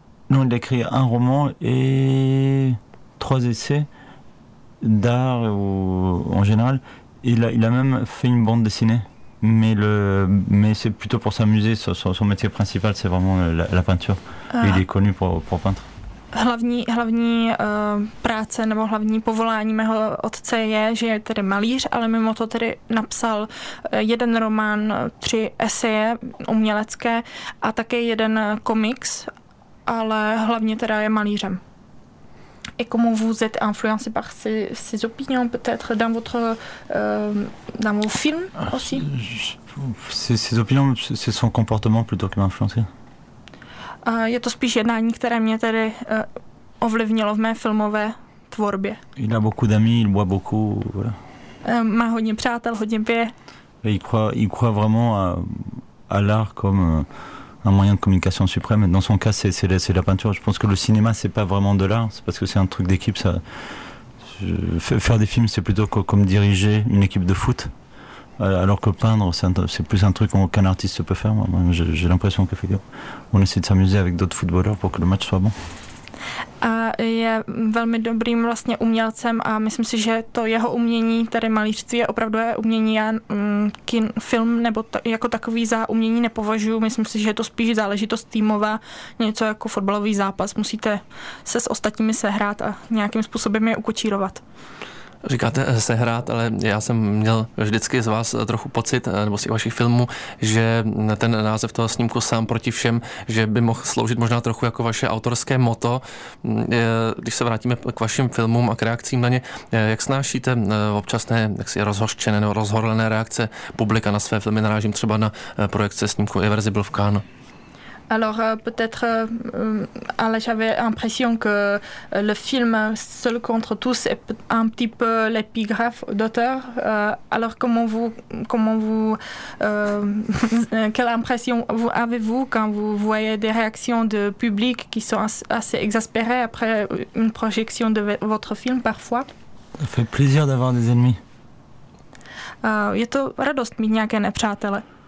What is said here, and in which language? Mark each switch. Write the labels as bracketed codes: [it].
[fr] Il a écrit un roman et 3 essais d'art ou en général. Il a même fait une bande dessinée, mais c'est plutôt pour s'amuser. Son métier principal, c'est vraiment la peinture. Il est connu pour peintre. [cs] Hlavní práce nebo hlavní povolání mého otce je, že je tedy malíř, ale mimo to tedy napsal jeden román, 3 eseje umělecké a také jeden komiks, ale hlavně teda je malířem. [fr] Et comment vous êtes influencé par ses opinions, peut-être dans vos films aussi? Ses opinions, c'est son comportement plutôt qui m'a influencé. [cs] Je to spíš jednání, které mě tedy ovlivnilo v mé filmové tvorbě. [fr] Il a beaucoup d'amis, il boit beaucoup, voilà. [cs] Má hodně přátel, hodně pije. [fr] Il croit vraiment à l'art comme un moyen de communication suprême. Dans son cas, c'est la peinture. Je pense que le cinéma, c'est pas vraiment de l'art. C'est parce que c'est un truc d'équipe. Faire des films, c'est plutôt comme diriger une équipe de foot. Alors que peindre, c'est plus un truc qu'un artiste peut faire. Moi, j'ai l'impression qu'on essaie de s'amuser avec d'autres footballeurs pour que le match soit bon. [cs] A je velmi dobrým vlastně umělcem a myslím si, že to jeho umění, tedy malířství, je opravdu umění. Já film nebo jako takový za umění nepovažuji. Myslím si, že je to spíš záležitost týmová, něco jako fotbalový zápas. Musíte se s ostatními sehrát a nějakým způsobem je ukočírovat. Říkáte sehrát, ale já jsem měl vždycky z vás trochu pocit, nebo z vašich filmů, že ten název toho snímku Sám proti všem, že by mohl sloužit možná trochu jako vaše autorské moto. Když se vrátíme k vašim filmům a k reakcím na ně, jak snášíte občasné rozhořčené nebo rozhorlené reakce publika na své filmy? Narážím třeba na projekce snímku Irreversible v Cannes. [fr] Alors peut-être, alors j'avais l'impression que le film Seul contre tous est un petit peu l'épigraphe d'auteur. Alors quelle impression avez-vous quand vous voyez des réactions de public qui sont assez exaspérées après une projection de votre film parfois? Ça fait plaisir d'avoir des ennemis. [cs] Je to radost mít nějaké nepřátele.